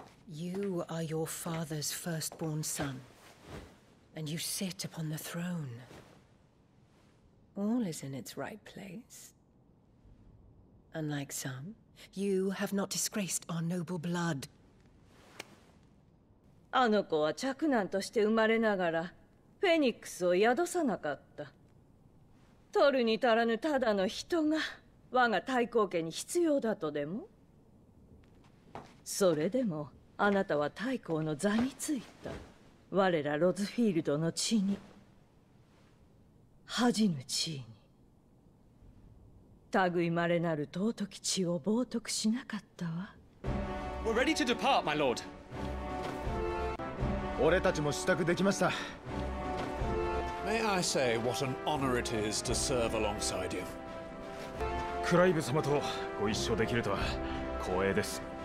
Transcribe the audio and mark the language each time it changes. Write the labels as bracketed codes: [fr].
[en] You are your father's firstborn son. And you sit upon the throne. All is in its right place. Unlike some, you have not disgraced our noble blood. [ja] あの子は嫡男として生まれながら、フェニックスを宿さなかった。取るに足らぬただの人が、我が太后家に必要だとでも？それでも、あなたは太后の座についた。我らロズフィールドの地に。恥じぬ地位に。類まれなる尊き血を冒涜しなかったわ。 [en] We're ready to depart, my lord. [ja] 俺たちも支度できました。 [en] May I say what an honor it is to serve alongside you? [ja] クライブ様とご一緒できるとは光栄です。